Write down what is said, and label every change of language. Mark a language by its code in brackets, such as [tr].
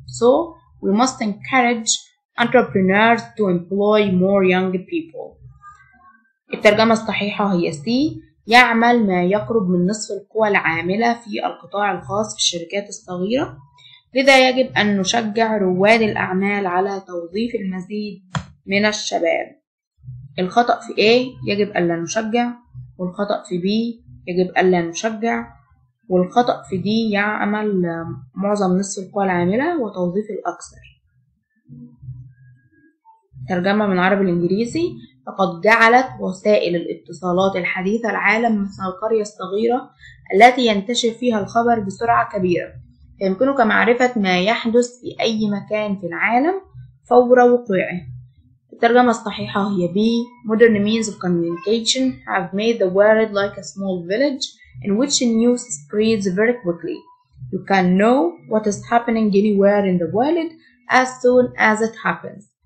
[en] So we must encourage entrepreneurs to employ more young people. [ar] الترجمة الصحيحة هي C. يعمل ما يقرب من نصف القوى العاملة في القطاع الخاص في الشركات الصغيرة. لذا يجب أن نشجع رواد الأعمال على توظيف المزيد من الشباب. الخطأ في A يجب ألا نشجع، والخطأ في B يجب ألا نشجع، والخطأ في D يعمل معظم نصف القوى العاملة وتوظيف الأكثر. ترجمة من عربي الإنجليزي. فقد جعلت وسائل الاتصالات الحديثة العالم مثل القرية الصغيرة التي ينتشر فيها الخبر بسرعة كبيرة. يمكنك معرفة ما يحدث في أي مكان في العالم فور وقوعه. الترجمة الصحيحة هي B. [en] Modern means of communication have made the world like a small village in which news spreads very quickly. You can know what is happening anywhere in the world as soon as it happens.